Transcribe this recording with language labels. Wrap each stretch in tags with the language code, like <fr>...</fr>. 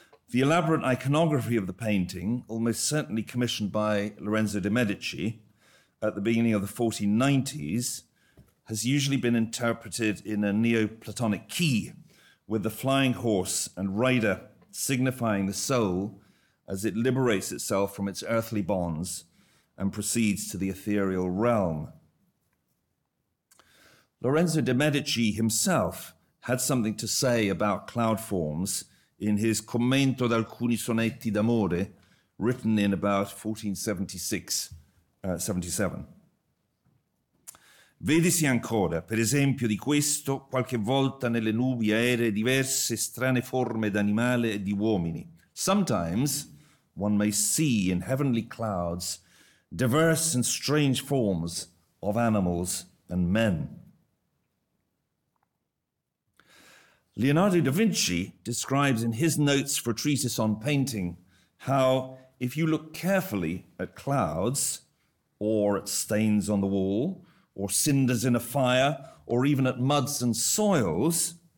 <en>The elaborate iconography of the painting, almost certainly commissioned by Lorenzo de' Medici at the beginning of the 1490s, has usually been interpreted in a Neoplatonic key, with the flying horse and rider signifying the soul as it liberates itself from its earthly bonds and proceeds to the ethereal realm. Lorenzo de' Medici himself had something to say about cloud forms in his Commento d'alcuni sonetti d'amore, written in about 1476, 77.</en> <it>Vedesi ancora, per esempio di questo, qualche volta nelle nubi aeree diverse strane forme d'animale e di uomini.</it> <en>Sometimes one may see in heavenly clouds diverse and strange forms of animals and men. Leonardo da Vinci describes in his notes for a treatise on painting how, if you look carefully at clouds, or at stains on the wall, or cinders in a fire, or even at muds and soils,</en>